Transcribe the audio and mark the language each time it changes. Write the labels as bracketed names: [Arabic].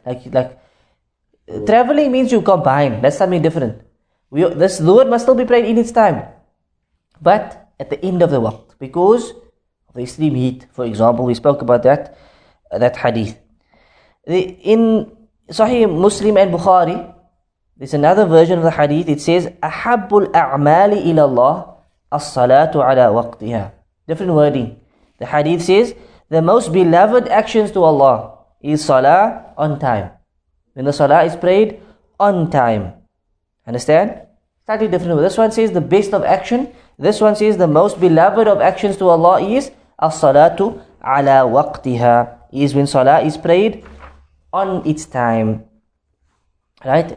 [English] Like traveling means you combine. That's something different. This dhuhr must still be prayed in its time. But at the end of the waqt. Because the extreme heat, for example, we spoke about that hadith. In Sahih Muslim and Bukhari, there's another version of the hadith. It says, [Arabic] أحب الأعمال إلى الله الصلاة على وقتها. [English] Different wording. The hadith says, the most beloved actions to Allah is salah on time. When the salah is prayed on time. Understand? Slightly different. This one says the best of action. This one says the most beloved of actions to Allah is [Arabic] As-salatu ala waqtiha, [English] is when salah is prayed on its time. Right?